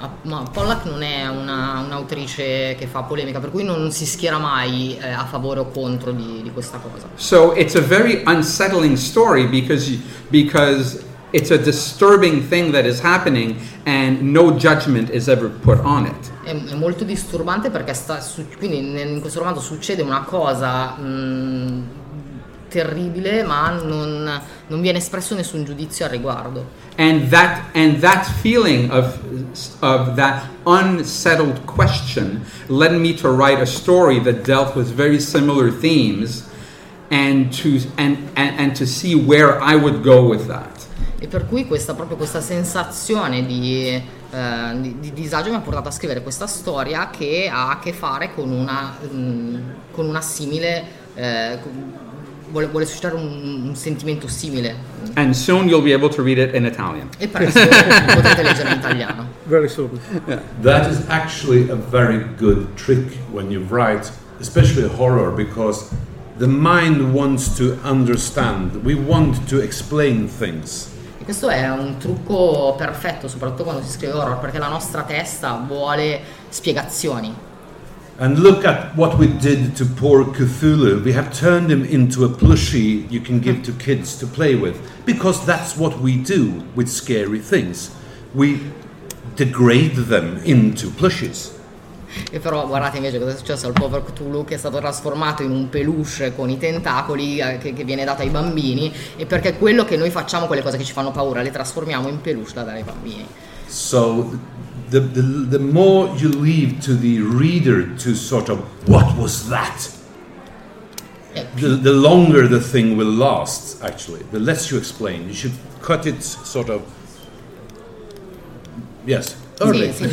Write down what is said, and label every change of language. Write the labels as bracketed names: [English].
[Italian] Ma Pollack non è un'autrice che fa polemica, per cui non si schiera mai a favore o contro di questa cosa. [English] So it's a very unsettling story because it's a disturbing thing that is happening and no judgment is ever put on it. [Italian] È molto disturbante perché quindi in questo romanzo succede una cosa terribile, ma non viene espresso nessun giudizio al riguardo. [English] And that feeling of that unsettled question led me to write a story that dealt with very similar themes and to see where I would go with that. [Italian] E per cui questa sensazione di disagio mi ha portato a scrivere questa storia che ha a che fare con una simile vuole suscitare un sentimento simile. [English] And soon you'll be able to read it in Italian. [Italian] E presto potrete leggere in italiano. [English] Very soon. Yeah. That is actually a very good trick when you write, especially horror, because the mind wants to understand. We want to explain things. [Italian] E questo è un trucco perfetto, soprattutto quando si scrive horror, perché la nostra testa vuole spiegazioni. [English] And look at what we did to poor Cthulhu. We have turned him into a plushie you can give to kids to play with. Because that's what we do with scary things. We degrade them into plushies. [Italian] E però guardate invece cosa è successo al povero Cthulhu, che è stato trasformato in un peluche con i tentacoli che viene dato ai bambini. E perché quello che noi facciamo, quelle cose che ci fanno paura, le trasformiamo in peluche da dare ai bambini. [English] So the more you leave to the reader to sort of what was that, the longer the thing will last, actually, the less you explain. You should cut it sort of, yes, early.